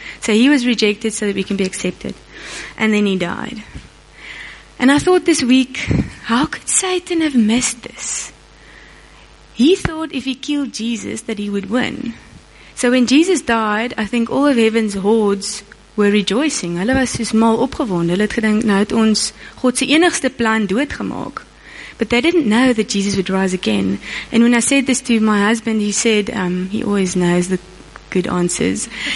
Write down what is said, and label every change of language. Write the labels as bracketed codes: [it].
[en] So he was rejected so that we can be accepted. And then he died. And I thought this week, how could Satan have missed this? He thought if he killed Jesus that he would win. So when Jesus died, I think all of heaven's hordes were rejoicing. [af] Hulle was soos mal opgewonde. Hulle het gedink, nou het ons God se enigste plan doodgemaak. [en] But they didn't know that Jesus would rise again. And when I said this to my husband, he said, he always knows the good answers.